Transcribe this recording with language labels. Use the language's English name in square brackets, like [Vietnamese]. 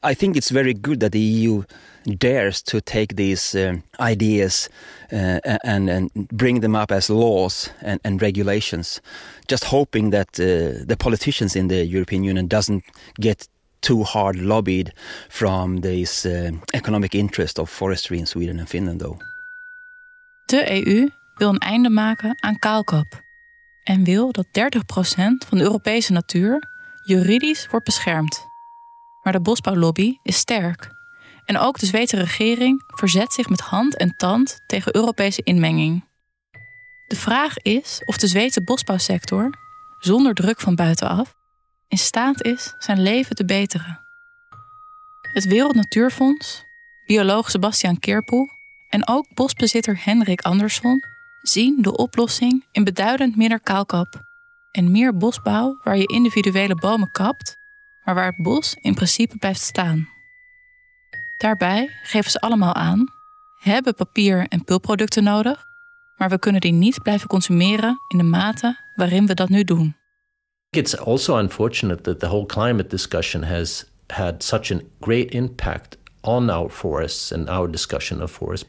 [English] I think it's very good that the EU dares to take these ideas and bring them up as laws and regulations, just hoping that the politicians in the European Union doesn't get too hard lobbied from this economic interest of forestry in Sweden and Finland, though. [Dutch] De EU wil een einde maken aan kaalkap en wil dat 30% van de Europese natuur juridisch wordt beschermd. Maar de bosbouwlobby is sterk. En ook de Zweedse regering verzet zich met hand en tand tegen Europese inmenging. De vraag is of de Zweedse bosbouwsector, zonder druk van buitenaf, in staat is zijn leven te beteren. Het Wereld Natuurfonds, bioloog Sebastian Keerpoel en ook bosbezitter Henrik Andersson zien de oplossing in beduidend minder kaalkap en meer bosbouw waar je individuele bomen kapt, maar waar het bos in principe blijft staan. Daarbij geven ze allemaal aan: hebben papier en pulpproducten nodig, maar we kunnen die niet blijven consumeren in de mate waarin we dat nu doen. [English] It's also unfortunate that the whole climate discussion has had such a great impact on our forests and our discussion of forests.